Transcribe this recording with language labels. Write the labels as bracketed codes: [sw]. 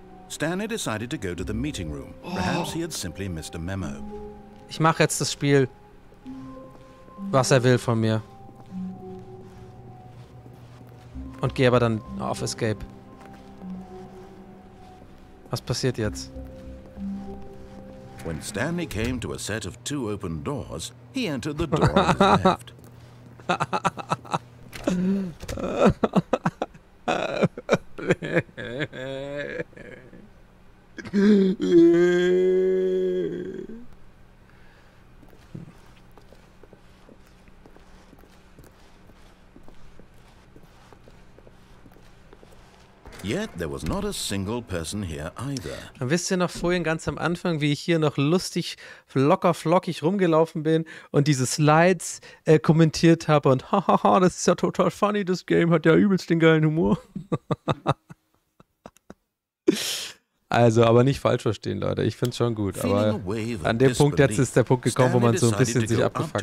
[en] Stanley decided to go to the meeting room. Perhaps he had simply missed a memo. [de] Ich mache jetzt das Spiel, was er will von mir. Und gehe aber dann auf Escape. Was passiert jetzt? [en] When Stanley came to a set of two open doors, he entered the door on his left. Yeah. Yet there was not a single person here either. [de] Und wisst ihr noch vorhin ganz am Anfang, wie ich hier noch lustig, locker, flockig rumgelaufen bin und diese Slides kommentiert habe und hahaha, das ist ja total funny, das Game hat ja übelst den geilen Humor. Also, aber nicht falsch verstehen, Leute. Ich find's schon gut. Aber an dem Punkt jetzt ist der Punkt gekommen, wo man so ein bisschen sich abgefuckt.